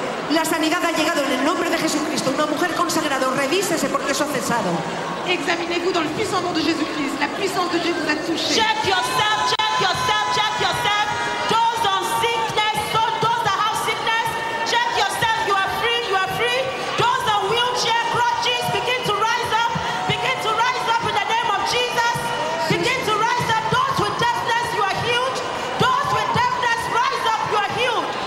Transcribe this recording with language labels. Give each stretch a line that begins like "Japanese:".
Spanish: La sanidad ha llegado en el nombre de Jesucristo. Una mujer consagrada, revísese porque eso ha cesado.
French: Examinez-vous dans le puissant nom de Jésus-Christ. La puissance de Dieu vous a touché.
English: Check yourself, check yourself, check yourself. Those on sickness, those that have sickness, check yourself. You are free, you are free. Those on wheelchair crutches, begin to rise up. Begin to rise up in the name of Jesus. Begin to rise up. Those with deafness, you are healed. Those with deafness, rise up, you are healed.